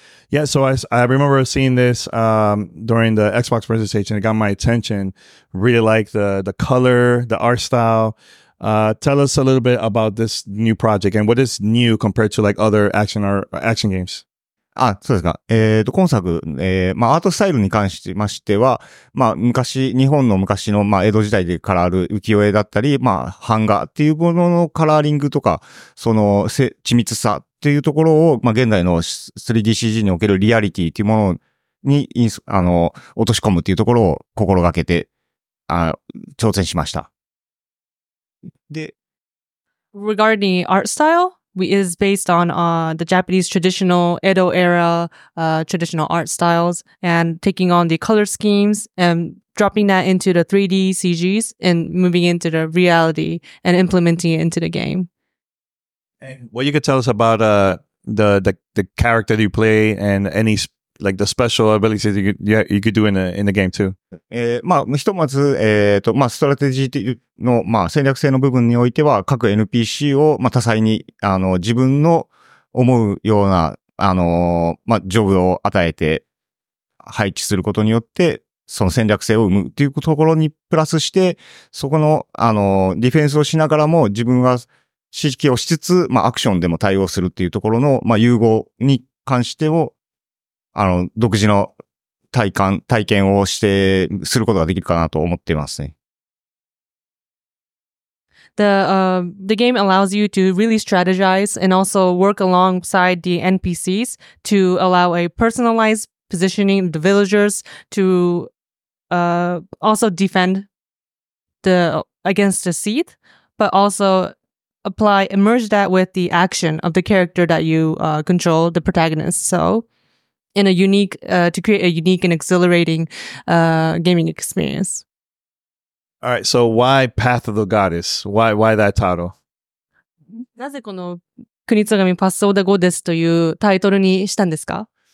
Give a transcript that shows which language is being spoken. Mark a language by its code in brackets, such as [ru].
[en] Yeah, so I remember seeing this during the Xbox presentation. It got my attention. Really like the color, the art style. Tell us a little bit about this new project and what is new compared to like other action games. [ja] あ、そうですか。今作、まあ、アートスタイルに関しましては、まあ、昔、日本の昔の、まあ、江戸時代でカラーある浮世絵だったり、まあ、版画っていうもののカラーリングとか、その、緻密さっていうところを、まあ、現代の 3DCG におけるリアリティっていうものに、落とし込むっていうところを心がけて、挑戦しました。で、 [en] regarding art style? is based on the Japanese traditional Edo era traditional art styles and taking on the color schemes and dropping that into the 3D CGs and moving into the reality and implementing it into the game. And what you could tell us about the character that you play and any like the special abilities you could do in the game too. [ja] まあ、ひとまず、まあ、ストラテジーの、まあ、戦略性の部分においては、各 NPC を、まあ、多彩に、自分の思うような、まあ、ジョブを与えて配置することによって、その戦略性を生むというところにプラスして、そこの、ディフェンスをしながらも、自分は指揮をしつつ、まあ、アクションでも対応するというところの、まあ、融合に関してを、独自の体験をしてすることができるかなと思っていますね。 [en] The game allows you to really strategize and also work alongside the NPCs to allow a personalized positioning of the villagers to also defend against the seed, but also merge that with the action of the character that you control, the protagonist. So. In a unique, to create a unique and exhilarating, gaming experience. All right. So why Path of the Goddess? Why that title? [ja] なぜこの国津神パスオーダーゴデスというタイトルにしたんですか?